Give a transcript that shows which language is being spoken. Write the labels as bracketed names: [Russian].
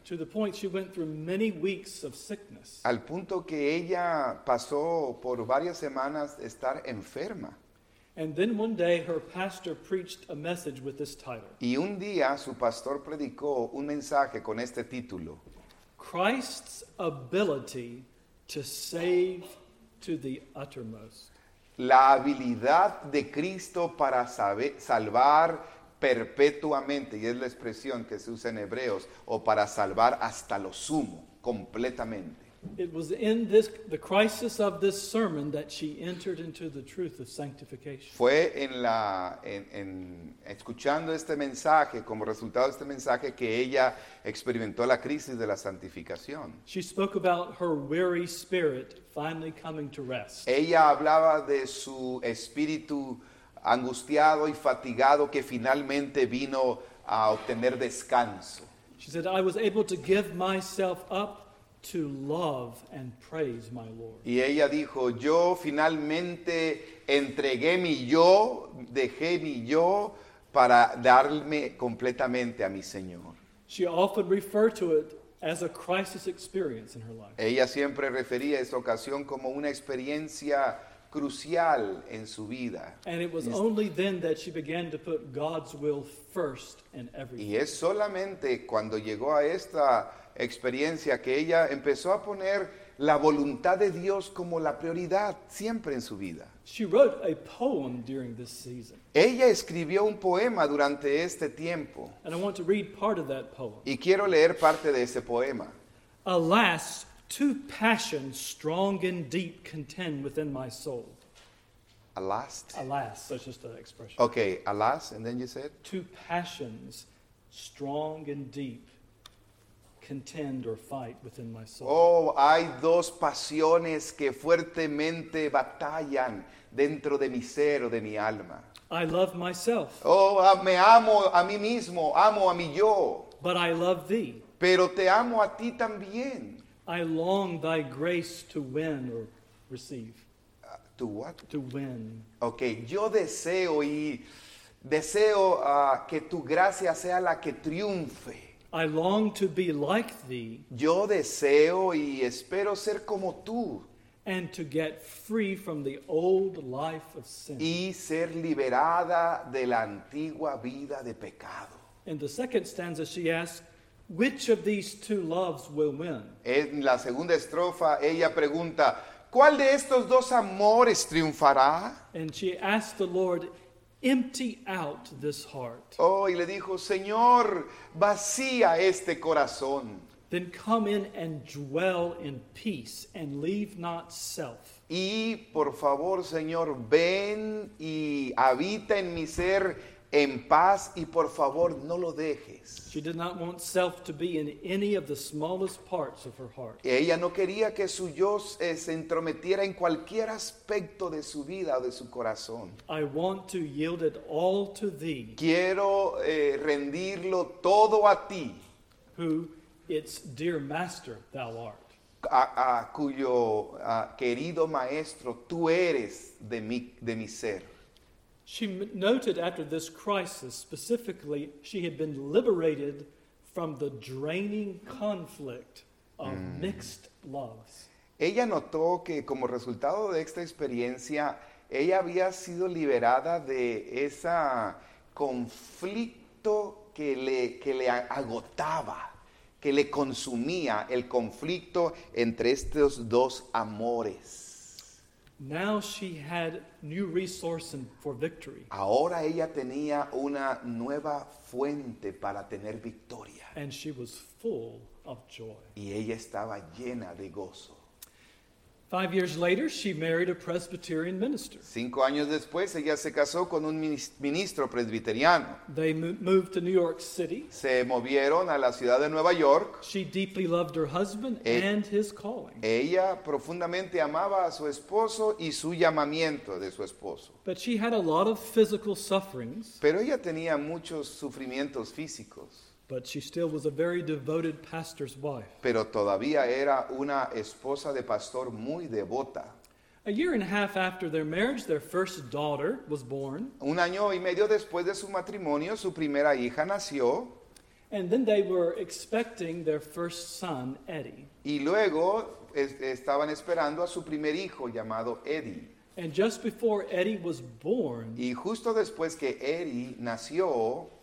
[English] To the point she went through many weeks of sickness. [Spanish] Al punto que ella pasó por varias semanas de estar enferma. [English] And then one day her pastor preached a message with this title. [Spanish] Y un día su pastor predicó un mensaje con este título. [English] Christ's ability to save to the uttermost. [Spanish] La habilidad de Cristo para salvar perpetuamente, y es la expresión que se usa en Hebreos, o para salvar hasta lo sumo, completamente. [English] It was in this the crisis of this sermon that she entered into the truth of sanctification. [Spanish] Fue en la en escuchando este mensaje, como resultado de este mensaje, que ella experimentó la crisis de la santificación. [English] She spoke about her weary spirit finally coming to rest. [Spanish] Ella hablaba de su espíritu angustiado y fatigado que finalmente vino a obtener descanso. [English] She said, "I was able to give myself up to love and praise my Lord." [Spanish] Y ella dijo, "Yo finalmente entregué mi yo, dejé mi yo para darme completamente a mi Señor." [English] She often referred to it as a crisis experience in her life. [Spanish] Ella siempre refería a esta ocasión como una experiencia crucial en su vida. [English] And it was only then that she began to put God's will first in everything. [Spanish] Y es solamente cuando llegó a esta experiencia que ella empezó a poner la voluntad de Dios como la prioridad siempre en su vida. [English] She wrote a poem during this season. [Spanish] Ella escribió un poema durante este tiempo. [English] And I want to read part of that poem. [Spanish] Y quiero leer parte de ese poema. [English] Alas, Two passions strong and deep contend within my soul. Alas. Alas, that's just an expression. Okay, alas, and then you said? Two passions strong and deep contend or fight within my soul. [Spanish] Oh, hay dos pasiones que fuertemente batallan dentro de mi ser o de mi alma. [English] I love myself. [Spanish] Oh, me amo a mí mismo, amo a mi yo. [English] But I love thee. [Spanish] Pero te amo a ti también. [English] I long thy grace to win or receive. To what? To win. [Spanish] Okay, yo deseo y deseo que tu gracia sea la que triunfe. [English] I long to be like thee. [Spanish] Yo deseo y espero ser como tú. [English] And to get free from the old life of sin. [Spanish] Y ser liberada de la antigua vida de pecado. [English] In the second stanza she asks, which of these two loves will win? [Spanish] En la segunda estrofa ella pregunta, ¿cuál de estos dos amores triunfará? [English] And she asked the Lord, empty out this heart. [Spanish] Oh, y le dijo, Señor, vacía este corazón. [English] Then come in and dwell in peace and leave not self. [Spanish] Y por favor, Señor, ven y habita en mi ser en paz y por favor no lo dejes. [English] She did not want self to be in any of the smallest parts of her heart. [Spanish] Ella no quería que su yo se entrometiera en cualquier aspecto de su vida o de su corazón. [English] I want to yield it all to thee. [Spanish] Quiero rendirlo todo a ti. [English] Who its dear master thou art. [Spanish] Cuyo querido maestro tú eres de mi ser. [English] She noted after this crisis, specifically, she had been liberated from the draining conflict of mixed loves. [Spanish] Ella notó que como resultado de esta experiencia, ella había sido liberada de ese conflicto que le agotaba, que le consumía, el conflicto entre estos dos amores. [English] Now she had new resource for victory. [Spanish] Ahora ella tenía una nueva fuente para tener victoria. [English] And she was full of joy. [Spanish] Y ella estaba llena de gozo. [English] 5 years later, she married a Presbyterian minister. [Spanish] 5 años después, ella se casó con un ministro presbiteriano. [English] They moved to New York City. [Spanish] Se movieron a la ciudad de Nueva York. [English] She deeply loved her husband and his calling. [Spanish] Ella profundamente amaba a su esposo y su llamamiento de su esposo. [English] But she had a lot of physical sufferings. [Spanish] Pero ella tenía muchos sufrimientos físicos. [English] But she still was a very devoted pastor's wife. [Spanish] Pero todavía era una esposa de pastor muy devota. [English] A year and a half after their marriage, their first daughter was born. [Spanish] Un año y medio después de su matrimonio, su primera hija nació. [English] And then they were expecting their first son, Eddie. [Spanish] Y luego estaban esperando a su primer hijo llamado Eddie. [English] And just before Eddie was born, [Spanish] y justo después que Eddie nació,